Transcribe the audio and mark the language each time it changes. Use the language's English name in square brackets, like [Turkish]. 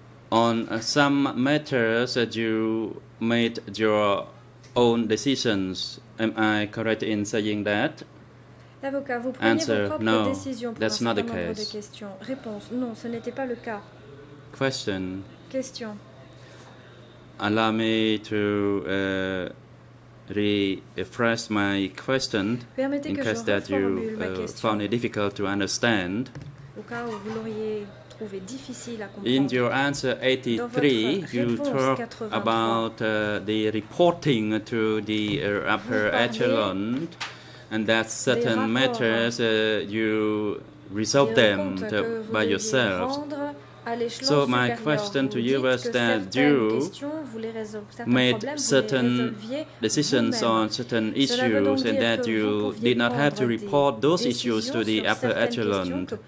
[English] On some matters that you made your own decisions. Am I correct in saying that? [French] L'avocat, vous preniez vos propres décisions pour un certain nombre de questions. Réponse. Non, ce n'était pas le cas. Question. [English] Question. Allow me to rephrase my question in case that you found it difficult to understand. [French] Au cas où vous l'auriez trouvé difficile à comprendre. [English] In your answer 83, you talk about the reporting to the upper echelon, and that certain matters you resolve them by yourselves. So my question to you was that you made certain decisions on certain issues and that you did not have to report those issues to the upper echelon.